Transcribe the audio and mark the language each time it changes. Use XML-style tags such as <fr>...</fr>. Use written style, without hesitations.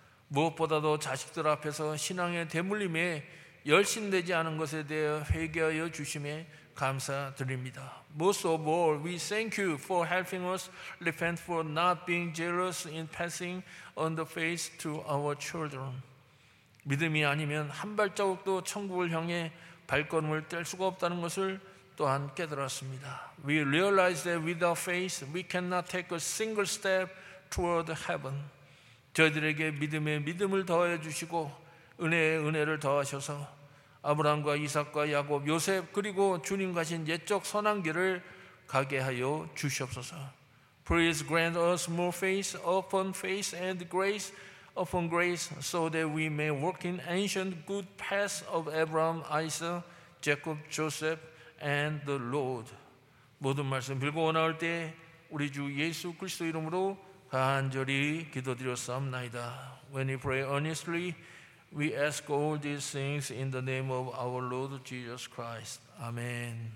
<ko>무엇보다도 자식들 앞에서 신앙의 대물림에 열심되지 않은 것에 대해 회개하여 주심에 감사드립니다.</ko> <en>Most of all, we thank you for helping us repent for not being zealous in passing on the faith to our children.</en> <ko>믿음이 아니면 한 발자국도 천국을 향해 발걸음을 뗄 수가 없다는 것을 또한 깨달았습니다.</ko> <en>We realize that without faith, we cannot take a single step toward heaven.</en> <ko>저희들에게 믿음에 믿음을 더하여 주시고 은혜에 은혜를 더하셔서 아브라함과 이삭과 야곱, 요셉 그리고 주님 가신 옛적 선한 길을 가게 하여 주시옵소서.</ko> <en>Please grant us more faith upon faith and grace upon grace so that we may walk in ancient good paths of Abraham, Isaac, Jacob, Joseph and the Lord.</en> <ko>모든 말씀 빌고 원하올 때 우리 주 예수 그리스도 이름으로 간절히 기도드렸사옵나이다.</ko> <en>When you pray earnestly, we ask all these things in the name of our Lord Jesus Christ. Amen.</en>